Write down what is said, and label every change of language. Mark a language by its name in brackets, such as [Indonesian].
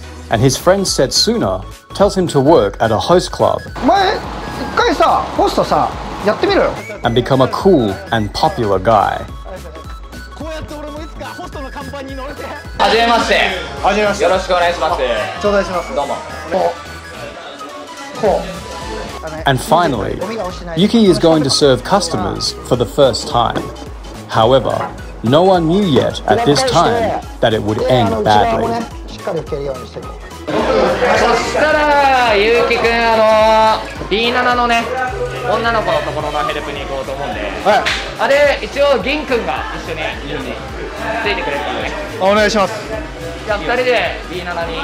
[English] And his friend Setsuna tells him to work at a host club. [Japanese] お前、一回さ、ホストさ、やってみろよ。 [English] And become a cool and popular guy. [Japanese] はじめまして。はじめまして。よろしくお願いします。頂戴します。どうも。こう。こう。 [English] And finally, Yuki is going to serve customers for the first time. However, no one knew yet at this time that it would end badly. [Japanese] しっかり受けるようにしてこう。そしたら、ゆうきくん、B7 のね、女の子のところのヘルプに行こうと思うんで。はい。あれ、一応、銀くんが一緒に。いいね。ついてくれるね。お願いします。じゃあ2人で B7 に行こうかな。